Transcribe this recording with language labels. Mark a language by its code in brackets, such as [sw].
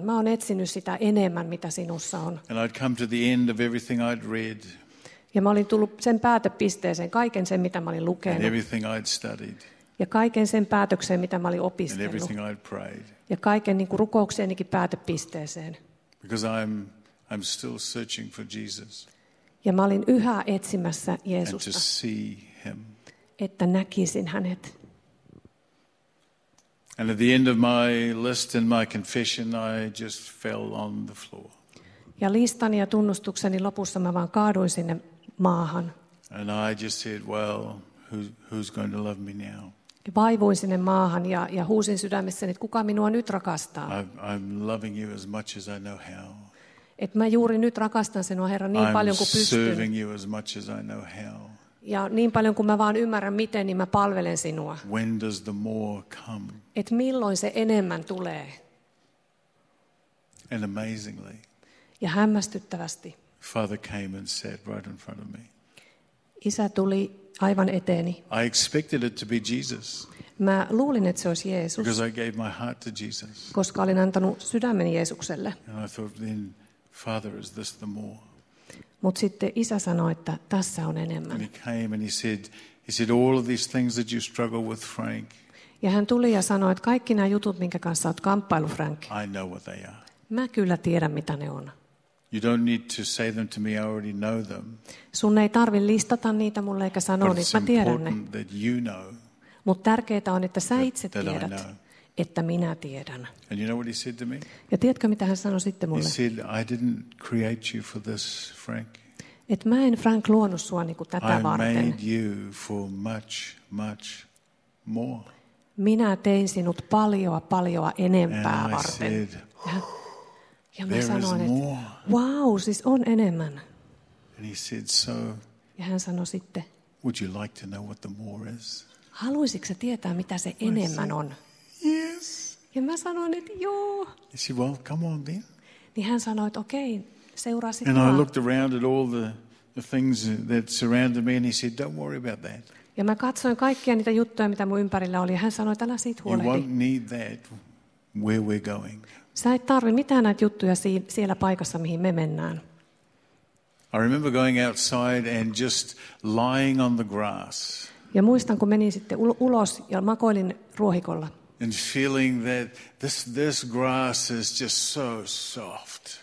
[fi] Mä oon etsinyt sitä enemmän, mitä sinussa on. [en] And I'd come to the end of everything I'd read. [fi] Ja mä olin tullut sen päätepisteeseen, kaiken sen, mitä mä olin lukenut. [en] And everything I'd studied. [fi] Ja kaiken sen päätökseen, mitä mä olin opiskellut. [en] And everything I'd prayed. [fi] Ja kaiken niin kuin rukouksienikin päätepisteeseen. [en] Because I'm still searching for Jesus. [fi] Ja mä olin yhä etsimässä Jeesusta. [en] And to see him. [fi] Että näkisin hänet. [en] And at the end of my list and my confession, I just fell on the floor. [fi] Ja listani ja tunnustukseni lopussa mä vaan kaaduin sinne maahan. [en] And I just said, well, who's going to love me now? [fi] Ja vaivuin sinne maahan ja huusin sydämessäni, että kuka minua nyt rakastaa? [en] I'm loving you as much as I know how. [fi] Et mä juuri nyt rakastan sinua, Herra, niin [en] I'm [fi] paljon kuin pystyn. [en] Serving you as much as I know how. [fi] Ja niin paljon kuin mä vaan ymmärrän miten, niin mä palvelen sinua. [en] When does the more come? [fi] Et milloin se enemmän tulee? [en] And amazingly. [fi] Ja hämmästyttävästi. [en] Father came and sat right in front of me. [fi] Isä tuli aivan eteeni. [en] I expected it to be Jesus. [fi] Mä luulin, että se olisi Jeesus. [en] Because I gave my heart to Jesus. [fi] Koska olin antanut sydämeni Jeesukselle. [en] And I thought, then, Father, is this the more? [fi] Mut sitten isä sanoi, että tässä on enemmän. [en] And he came and he said all of these things that you struggle with, Frank. [fi] Ja hän tuli ja sanoi, että kaikki nämä jutut, minkä kanssa olet kamppailu, Frank. [en] I know what they are. [fi] Mä kyllä tiedän, mitä ne on. [en] You don't need to say them to me. I already know them. [fi] Sun ei tarvi listata niitä mulle eikä sanoa, niin mä tiedän ne. [en] That you know. [fi] Mut tärkeää on, että sä itse tiedät, että minä tiedän. [en] And you know what he said to me? [fi] Ja tiedätkö, mitä hän sanoi sitten mulle? [en] He said, I didn't create you for this, Frank. [fi] Et mä en, Frank, luonut sua niinku tätä varten. [en] I made you for much, much more. [fi] Minä tein sinut paljoa, paljoa enempää [en] and [fi] varten. [en] I said, [fi] ja mä sanoin, että wow, siis on enemmän. [en] And he said, so, [fi] ja hän sanoi sitten, [en] would you like to know what the more is? [fi] Haluaisitko sä tietää, mitä se enemmän [en] said, [fi] on? [en] Yes. [fi] Ja mä sanoin, että joo. [en] He said, well, come on then. [fi] Niin hän sanoi, että okei, seuraa sitten. [en] And I looked around at all the things that surrounded me and he said, don't worry about that. [fi] Ja mä katsoin kaikkia niitä juttuja, mitä mun ympärillä oli. Ja hän sanoi, että älä siitä huolehdi. [en] You won't need that where we're going. [fi] Sä et tarvi mitään näitä juttuja siellä paikassa, mihin me mennään. [en] I remember going outside and just lying on the grass. [fi] Ja muistan, kun menin sitten ulos ja makoilin ruohikolla. [en] And feeling that this grass is just so soft.